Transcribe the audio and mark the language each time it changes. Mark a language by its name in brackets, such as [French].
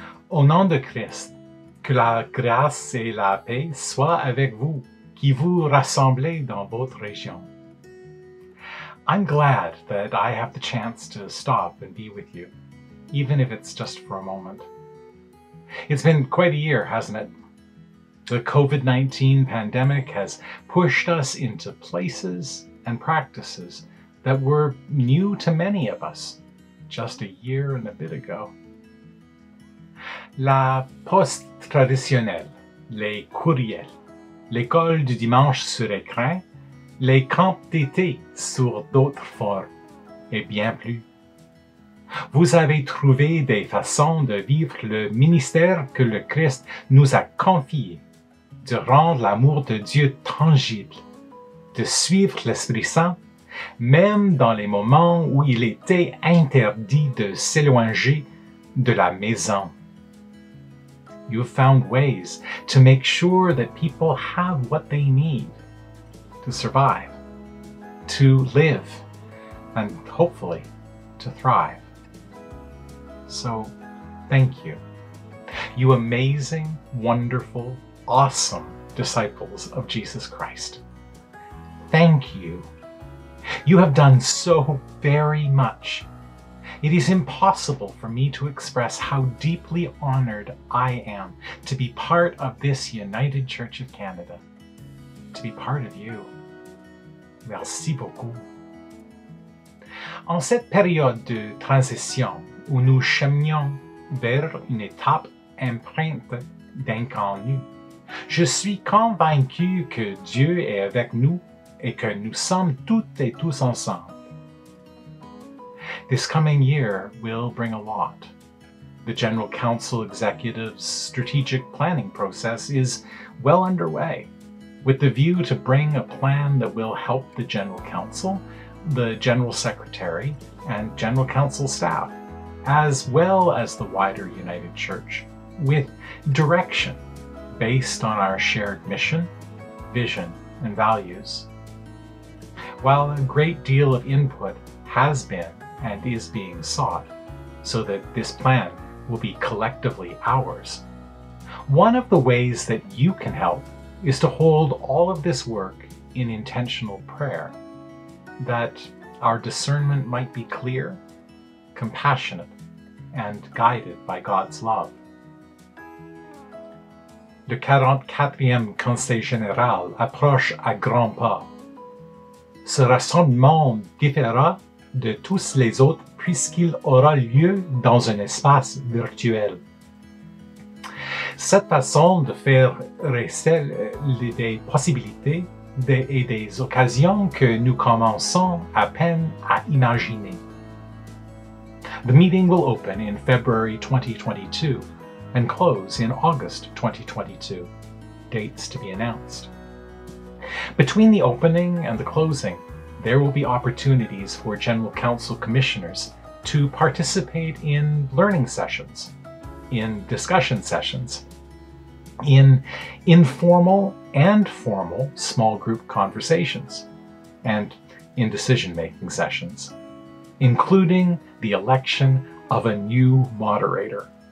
[French] Au nom de Christ, que la grâce et la paix soient avec vous qui vous rassemblez dans votre région. [English] I'm glad that I have the chance to stop and be with you, even if it's just for a moment. It's been quite a year, hasn't it? The COVID-19 pandemic has pushed us into places and practices that were new to many of us just a year and a bit ago. [French] La poste traditionnelle, les courriels, l'école du dimanche sur écran, les camps d'été sur d'autres formes, et bien plus. Vous avez trouvé des façons de vivre le ministère que le Christ nous a confié, de rendre l'amour de Dieu tangible, de suivre l'Esprit-Saint, même dans les moments où il était interdit de s'éloigner de la maison. [English] You've found ways to make sure that people have what they need to survive, to live, and hopefully to thrive. So, thank you. You amazing, wonderful, awesome disciples of Jesus Christ. Thank you. You have done so very much. It is impossible for me to express how deeply honored I am to be part of this United Church of Canada, to be part of you. [French] Merci beaucoup. En cette période de transition où nous cheminons vers une étape empreinte d'inconnu, je suis convaincu que Dieu est avec nous et que nous sommes toutes et tous ensemble. [English] This coming year will bring a lot. The General Council Executive's strategic planning process is well underway, with the view to bring a plan that will help the General Council, the General Secretary, and General Council staff, as well as the wider United Church, with direction based on our shared mission, vision, and values. While a great deal of input has been and is being sought so that this plan will be collectively ours, one of the ways that you can help is to hold all of this work in intentional prayer, that our discernment might be clear, compassionate, and guided by God's love. [French] Le 44e Conseil Général approche à grands pas. Ce rassemblement différera de tous les autres puisqu'il aura lieu dans un espace virtuel. Cette façon de faire recèle des possibilités et des occasions que nous commençons à peine à imaginer. [English] The meeting will open in February 2022 and close in August 2022. Dates to be announced. Between the opening and the closing, there will be opportunities for General Council Commissioners to participate in learning sessions, in discussion sessions, in informal and formal small group conversations, and in decision-making sessions, including the election of a new moderator.